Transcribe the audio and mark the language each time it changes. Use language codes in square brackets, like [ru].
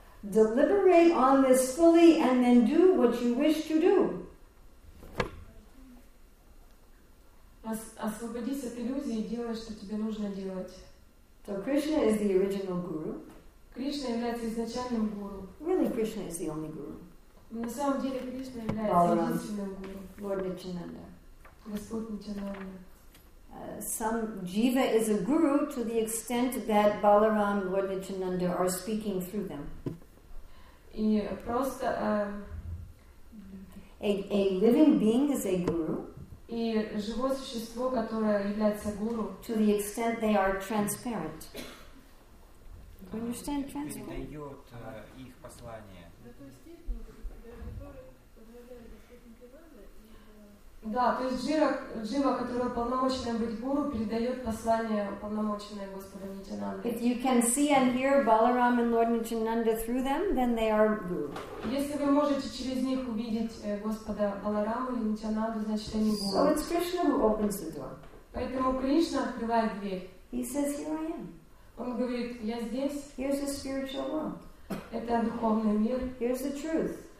[en] Deliberate on this fully and then do what you wish to do. [ru] Освободись от иллюзии и делай, что тебе нужно делать. [en] So Krishna is the original guru. [ru] Кришна является изначальным гуру. [en] Really, Krishna is the only guru. [ru] На самом деле Кришна является единственным гуру. [en] Lord Nityananda. [ru] Господь Нитянанда. [en] Some jiva is a guru to the extent that Balaram, Lord Nityananda are speaking through them. [ru] И просто [en] a living being is a guru. [ru] И живое существо, которое является гуру. [en] To the extent they are transparent. Do you understand transparent? [ru] Передает их послание. Да, то есть джива, которая уполномочена быть гуру, передает послание уполномоченное Господа Нитянанда. [en] If you can see and hear Balaram and Lord Nityananda through them, then they are guru. [ru] Если вы можете через них увидеть Господа Баларама и Нитянанду, значит они гуру. [en] So it's Krishna who opens the door. [ru] Поэтому Кришна открывает дверь. [en] He says, "Here I am." [ru] Он говорит, я здесь. [en] Here's the spiritual world. [ru] Это духовный мир. [en] Here's the truth.